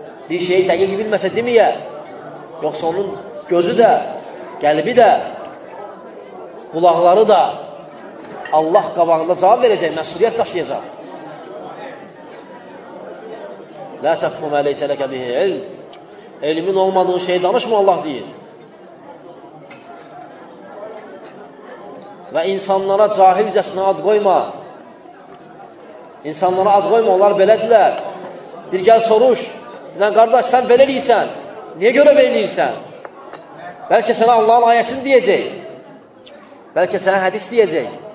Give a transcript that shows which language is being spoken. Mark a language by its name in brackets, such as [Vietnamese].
[Azerbaijani] Bir şeyi dəqiq bilməsə deməyə. Yoxsa onun gözü də, qəlbi də, qulaqları da Allah qabağında cavab verəcək, məsuliyyət daşıyacaq. [Arabic] Lə təqfu mə ləysə ləkə bihi ilm. [Azerbaijani] Elmin olmadığı şeyi danışma, Allah deyir. Və insanlara cahilcəsinə ad qoyma. İnsanlara ad qoyma, onlar belədirlər. Bir gəl soruş, dinən qardaş, sən belə eləyirsən, niyə görə belə eləyirsən? Bəlkə sənə Allahın ayəsini deyəcək. Bəlkə sənə hədis deyəcək.